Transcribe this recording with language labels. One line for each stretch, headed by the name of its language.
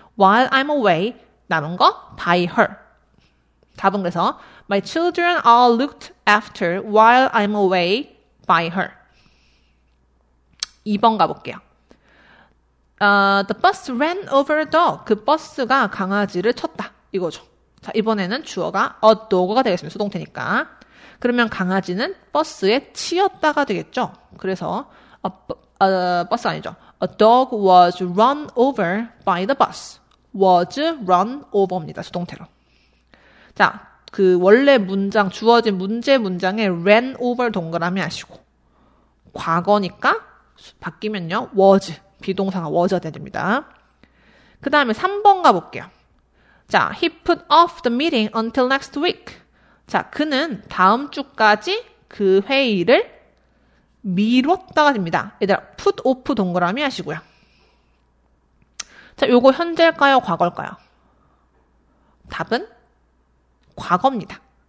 English: While I'm away,
Korean: 남은 거
English: by her.
Korean: 답은 그래서
English: My children are looked after while I'm away by her.
Korean: 2번 가볼게요.
English: The bus ran over a dog.
Korean: 그 버스가 강아지를 쳤다. 이거죠. 자, 이번에는 주어가 a dog가 되겠습니다. 수동태니까. 그러면 강아지는 버스에 치였다가 되겠죠. 그래서 버스 아니죠.
English: A dog was run over by the bus.
Korean: was run over입니다. 수동태로. 자, 그 원래 문장 주어진 문제 문장에 ran over 동그라미 하시고 과거니까 바뀌면요. was 비동사가 was가 됩니다. 그 다음에 3번 가볼게요.
English: 자, he put off the meeting until next week.
Korean: 자, 그는 다음 주까지 그 회의를 미뤘다가 됩니다. 얘들아, put off 동그라미 하시고요. 자, 요거 현재일까요? 과거일까요? 답은 과거입니다.